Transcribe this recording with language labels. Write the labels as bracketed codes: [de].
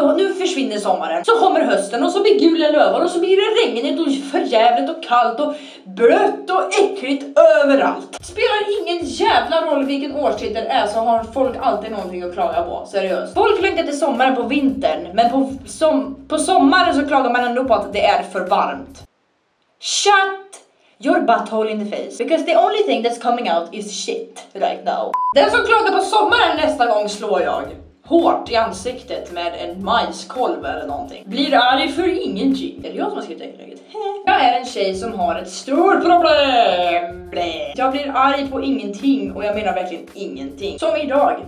[sv] Nu försvinner sommaren. Så kommer hösten och så blir gula lövar. Och så blir det regnigt och förjävligt och kallt. Och blött och äckligt överallt. Spelar ingen jävla roll vilken årstid det är. Så har folk alltid någonting att klaga på. Seriöst. Folk längtar till sommaren på vintern. Men på sommaren så klagar man ändå på att det är för varmt. [en] Shut your butthole in the face. Because the only thing that's coming out is shit right now. [sv] Den som klagar på sommaren nästa gång slår jag hårt i ansiktet med en majskolv eller någonting. Blir arg för ingen gin. Är det jag som har skrivit det inlägget? Jag är en tjej som har ett stort problem. Jag blir arg på ingenting och jag menar verkligen ingenting. Som idag.